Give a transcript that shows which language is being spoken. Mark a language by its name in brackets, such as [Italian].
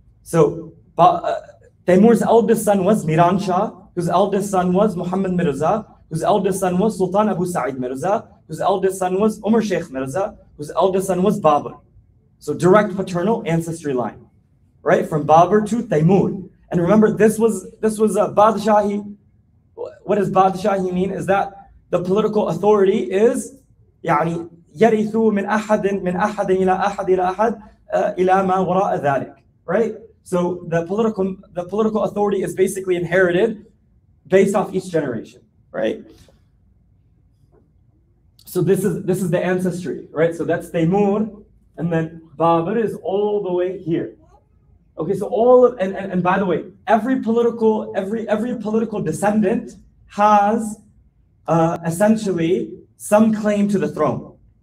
[English] So Taimur's eldest son was Miran Shah, whose eldest son was Muhammad Mirza, whose eldest son was Sultan Abu Sa'id Mirza, whose eldest son was Umar Sheikh Mirza, whose eldest son was Babur. So direct paternal ancestry line. Right, from Babur to Taimur. And remember, this was a Badshahi. What does Badshahi mean? Is that the political authority is [Arabic] يعني يرث من أحد إلى أحد إلى أحد إلى ما وراء ذلك. [English] Right? So the political authority is basically inherited based off each generation, right? So this is the ancestry, right? So that's Taimur, and then Babur is all the way here. Okay, so all of, and by the way, every political descendant has essentially some claim to the throne.